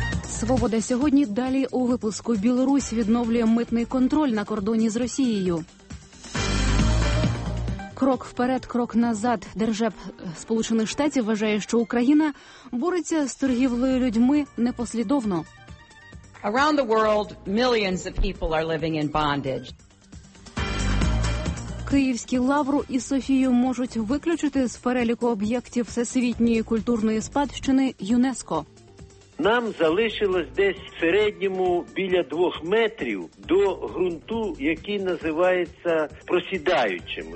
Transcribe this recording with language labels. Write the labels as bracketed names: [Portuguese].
[Ukrainian] Свобода сьогодні далі у випуску. Білорусь відновлює митний контроль на кордоні з Росією. Крок вперед, крок назад. Держеб Сполучених Штатів вважає, що Україна бореться з торгівлею людьми непослідовно. [English] Around the world, millions of people are living in bondage. [Ukrainian] Київські Лавру і Софію можуть виключити з переліку об'єктів Всесвітньої культурної спадщини ЮНЕСКО. Нам залишилось десь в середньому біля 2 метрів до ґрунту, який називається просідаючим.